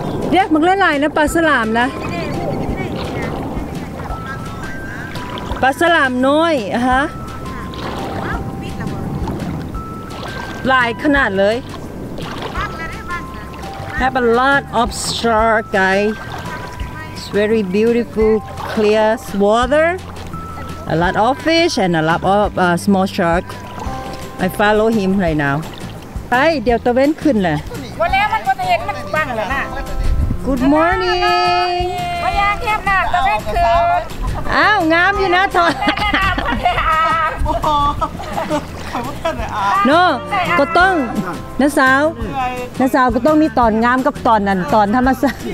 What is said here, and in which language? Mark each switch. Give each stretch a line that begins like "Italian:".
Thai: เรียกมันเล่นลายนะปลาสลามนะปลาสลามน้อยฮะลายขนาดเลย
English: Have a lot of shark, guys. It's very beautiful, clear water. A lot of fish and a lot of small shark. I follow him right now. Hey,
Thai: เดี๋ยวตะเวนขึ้นแหละ วันแล้วมันก็จะเห็นมันบ้างแล้วนะ
English: Good morning.
Thai: พยายามเทียบหน้าตะเวนขึ้น อ้าวงามอยู่นะทอ น No, ก็ต้องน้าสาวน้าสาวก็ต้องมีตอนงามกับตอนนั้นตอนธรรมชาติ